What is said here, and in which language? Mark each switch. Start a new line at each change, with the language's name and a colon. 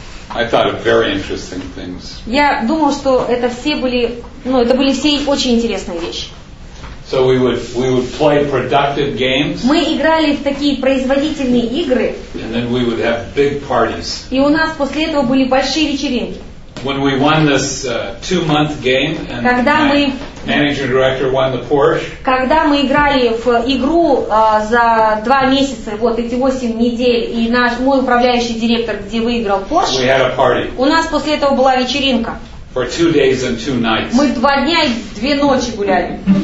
English: I thought of very interesting things.
Russian: Я думал, что это все были, ну, это были все очень интересные вещи.
English: So we would play productive games.
Russian: Мы играли в такие производительные игры.
English: And then we would have big parties.
Russian: И у нас после этого были большие вечеринки.
English: When we won this two-month game, and my managing director won the Porsche.
Russian: Когда мы играли в игру за два месяца, вот эти 8 недель, и наш мой управляющий директор где выиграл Porsche.
English: We had a party.
Russian: У нас после этого была вечеринка.
English: For 2 days and 2 nights.
Russian: Мы два дня и две ночи гуляли.